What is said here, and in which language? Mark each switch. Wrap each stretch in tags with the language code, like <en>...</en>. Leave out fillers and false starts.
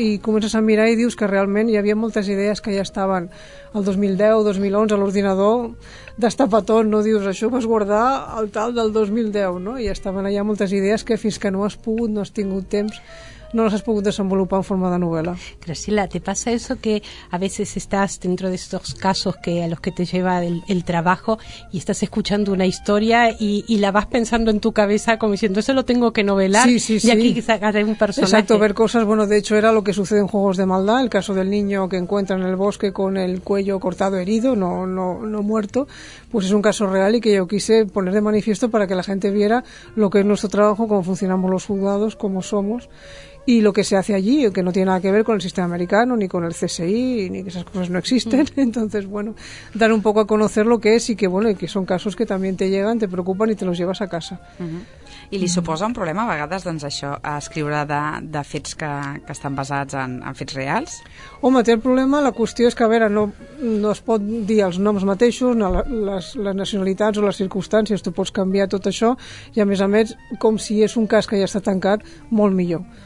<ca>I comences a mirar i dius que realment hi havia moltes idees que ja estaven el 2010, 2011, a l'ordinador, destapa tot, no? Dius, això ho vas guardar al tal del 2010, no? I estaven allà moltes idees que fins que no has tingut temps, no les has pogut desenvolupar en forma de novel·la.</ca> <es>Graciela, ¿te pasa eso que a veces estás dentro de estos casos que a los que te lleva el trabajo y estás escuchando una historia y la vas pensando en tu cabeza como diciendo, eso lo tengo que novelar? Sí. Y aquí sacaré un personaje. Exacto, ver cosas, bueno, de hecho era lo que sucede en Juegos de Maldad, el caso del niño que encuentra en el bosque con el cuello cortado, herido, no muerto, pues es un caso real y que yo quise poner de manifiesto para que la gente viera lo que es nuestro trabajo, cómo funcionamos los juzgados, cómo somos y lo que se hace allí, que no tiene nada que ver con el sistema americano, ni con el CSI, ni que esas cosas no existen. Entonces, bueno, dar un poco a conocer lo que es y que, bueno, y que son casos que también te llegan, te preocupan y te los llevas a casa. Uh-huh.</es> <ca>i li suposa un problema a vegades, doncs, això, a escriure de fets que estan basats en fets reals? Home, té el problema, la qüestió és que, a veure, no es pot dir els noms mateixos, les nacionalitats o les circumstàncies, tu pots canviar tot això, i a més, com si és un cas que ja està tancat, molt millor.</ca>